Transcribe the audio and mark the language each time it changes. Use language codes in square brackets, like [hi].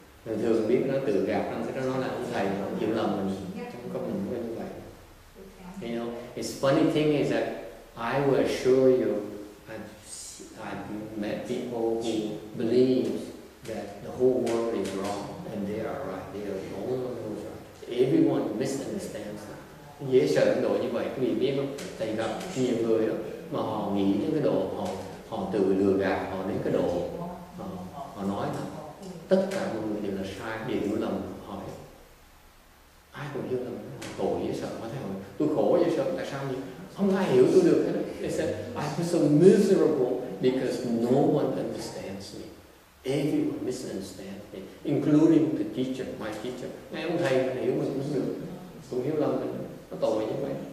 [vi] Thường biết nó tự gạt, nó sẽ nói là thầy hiểu lầm mình, không có mình như vậy. [en] You know, it's funny thing is that I will assure you, I've met people who believe that the whole world is wrong. And they are right. They are the only one who is right. Everyone misunderstands that. [vi] Dễ sợ cái độ như vậy, quý vị biết không? Tại gặp nhiều người đó, mà họ nghĩ những cái độ họ tự lừa gạt, họ đến cái độ họ nói là tất cả mọi người đều là sai, đều hiểu lầm họ. Ai cũng hiểu lầm, tội dễ sợ. Mà thấy tôi khổ dễ sợ, tại sao vậy? Không ai hiểu tôi được hết. [en] They said, I feel so miserable because no one understands me. Everyone misunderstands me, including the teacher, my teacher. [vi] Ngay ông thầy mình hiểu mình cũng được, cũng hiểu lầm mình, nó tội như vậy.